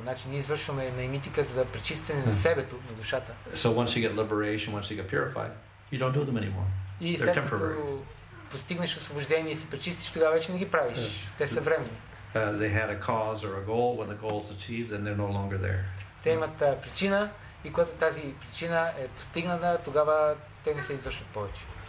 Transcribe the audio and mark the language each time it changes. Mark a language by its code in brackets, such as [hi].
[bg] Значи ние извършваме наймитика за пречистване на себето, на душата. [en] So once you get liberation, once you get purified, you don't do them anymore. They're temporary. [bg] Постигнеш освобождение и се пречистиш, тогава вече не ги правиш. Те са временни. [en] They had a cause or a goal. When the goal is achieved, then they're no longer there. [bg] Те имат причина и когато тази причина е постигната, тогава те не се извършват повече.